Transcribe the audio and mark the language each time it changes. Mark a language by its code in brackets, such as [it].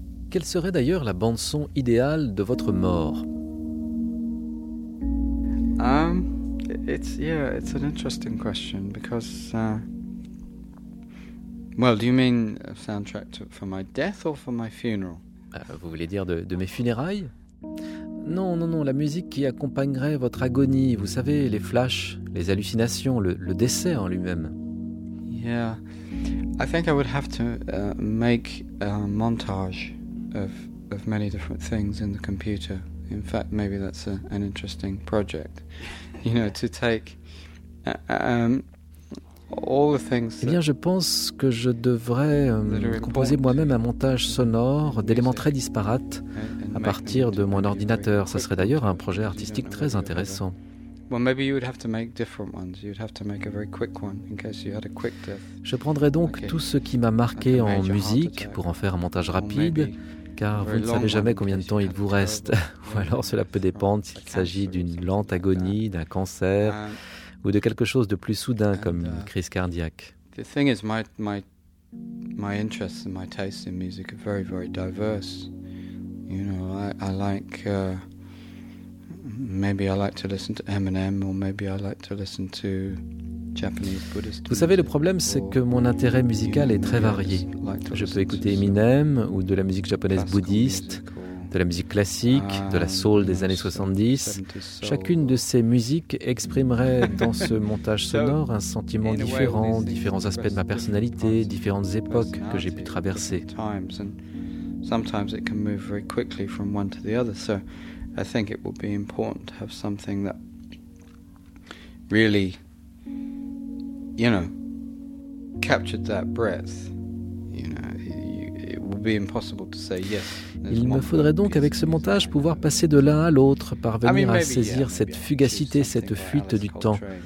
[fr] Quelle serait d'ailleurs la bande-son idéale de votre mort ? [en] It's an interesting question because well, do you mean a soundtrack for my death or for my funeral ? [fr] Vous voulez dire de mes funérailles ? Non, la musique qui accompagnerait votre agonie, vous savez, les flashs, les hallucinations, le décès en lui-même. [en] Yeah. I think I would have to make a montage of many different things in the computer. In fact, maybe that's an interesting project. You know, to take all the things. [fr] Eh bien, je pense que je devrais composer moi-même un montage sonore d'éléments très disparates à partir de mon ordinateur. Ça serait d'ailleurs un projet artistique très intéressant. [en] Well, maybe you would have to make different ones. You'd have to make a very quick one in case you had a quick death. [fr] Je prendrai donc tout ce qui m'a marqué en musique pour en faire un montage rapide. car vous ne savez jamais combien de temps il vous reste. Ou alors cela peut dépendre s'il s'agit d'une lente agonie, d'un cancer, ou de quelque chose de plus soudain comme une crise cardiaque. [en] The thing is, my interests and my tastes in music are very, very diverse. You know, I like to listen to Eminem, or maybe I like to listen to Japanese Buddhist. [fr] Vous savez, le problème, c'est que mon intérêt musical est très varié. Je peux écouter Eminem ou de la musique japonaise bouddhiste, de la musique classique, de la soul des années 70. Chacune de ces musiques exprimerait dans ce montage sonore un sentiment différent, différents aspects de ma personnalité, différentes époques que j'ai pu traverser. [en] Sometimes it can move very quickly from one to the other, so I think it will be important to have something that really, you know, captured that breadth. You know, it will be impossible to say yes. [fr] Il me faudrait donc, avec ce montage, pouvoir passer de l'un à l'autre, parvenir à saisir cette fugacité, cette fuite du temps.